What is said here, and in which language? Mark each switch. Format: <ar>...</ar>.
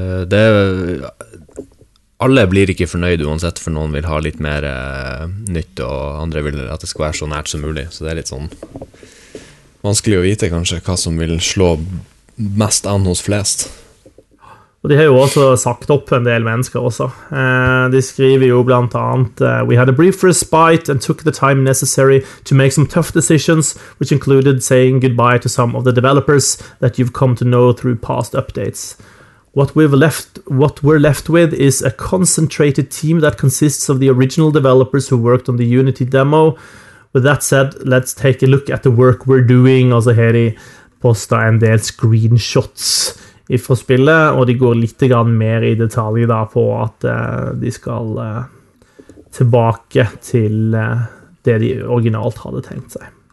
<no>Det er, alle blir ikke fornøyde uansett, for noen vil ha litt mer nytt, og andre vil at det skal være så nært som mulig. Så det er litt sånn vanskelig å vite kanskje hva som vil slå mest an hos flest. Og de har jo også sagt opp en del mennesker også. De skriver jo blant annet</no> <en>«We had a brief respite and took the time necessary to make some tough decisions, which included saying goodbye to some of the developers that you've come to know through past updates. What we're left with is a concentrated team that consists of the original developers who worked on the Unity demo. With that said, let's take a look at the work we're doing»,</en> <no>og så har de postet en del screenshots ifra spillet, og de går litt mer i detalj da på at de skal tilbake til det de originalt hadde tenkt seg.</no>